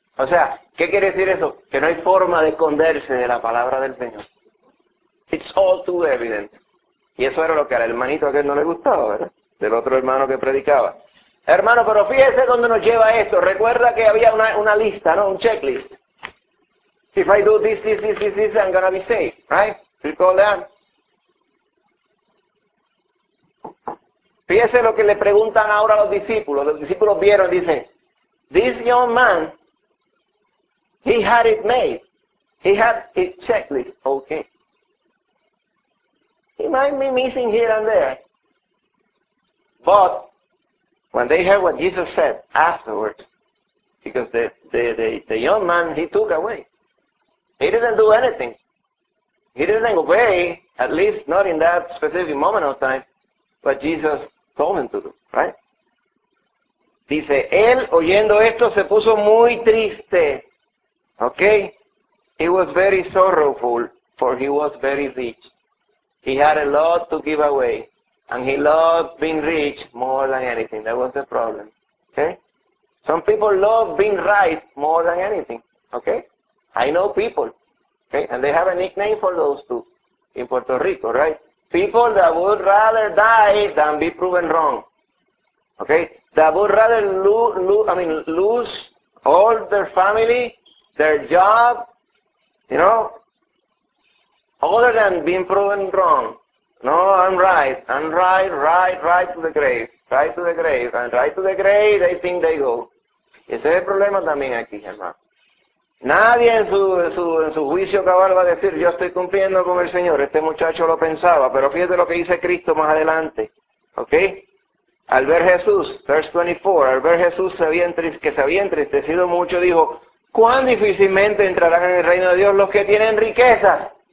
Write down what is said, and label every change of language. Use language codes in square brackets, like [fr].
[es] O sea, ¿qué quiere decir eso? Que no hay forma de esconderse de la palabra del Señor. [en] It's all too evident. [es] Y eso era lo que al hermanito aquel no le gustaba, ¿verdad? Del otro hermano que predicaba. Hermano, pero fíjese dónde nos lleva esto. Recuerda que había una lista, ¿no? Un checklist. [en] If I do this, this, this, this, this, I'm gonna be safe, right? Recall that. [es] Fíjese lo que le preguntan ahora a los discípulos. Los discípulos vieron, dice, [en] this young man, he had it made. He had his checklist, okay. He might be missing here and there. But when they heard what Jesus said afterwards, because the young man, he took away. He didn't do anything. He didn't obey, at least not in that specific moment of time, what Jesus told him to do, right? [es] Dice, él oyendo esto se puso muy triste. [en] Okay? He was very sorrowful, for he was very rich. He had a lot to give away, and he loved being rich more than anything. That was the problem. Okay? Some people love being right more than anything. Okay? I know people, okay, and they have a nickname for those two in Puerto Rico, right? People that would rather die than be proven wrong, okay? That would rather lose all their family, their job, you know, other than being proven wrong. No, I'm right to the grave, they think they go. [es] Ese es el problema también aquí, hermano. Nadie en su juicio cabal va a decir, yo estoy cumpliendo con el Señor. Este muchacho lo pensaba, pero fíjate lo que dice Cristo más adelante. ¿Ok? Al ver Jesús, [en] verse 24, [es] al ver Jesús que se había entristecido mucho, dijo, ¿cuán difícilmente entrarán en el reino de Dios los que tienen riquezas?